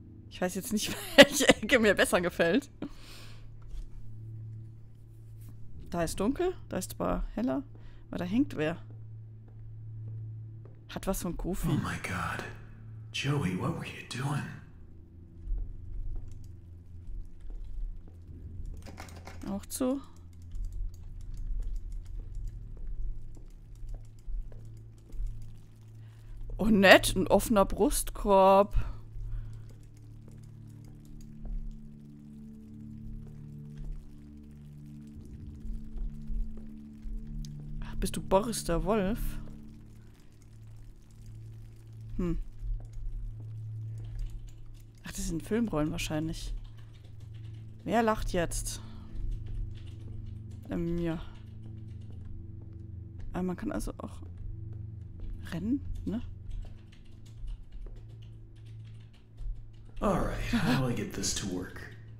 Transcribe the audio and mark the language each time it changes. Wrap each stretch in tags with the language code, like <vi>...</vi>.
<de>Ich weiß jetzt nicht, welche Ecke mir besser gefällt. Da ist dunkel, da ist zwar heller, aber da hängt wer. Hat was von Kofi.</de> <en>Oh my God. Joey, what were you doing?</en> <de>Auch zu. Oh nett, ein offener Brustkorb. Bist du Boris der Wolf? Ach, das sind Filmrollen wahrscheinlich. Wer lacht jetzt? Ja. Aber man kann also auch rennen, ne?</de> <en>Alright, how do I get this to work?</en>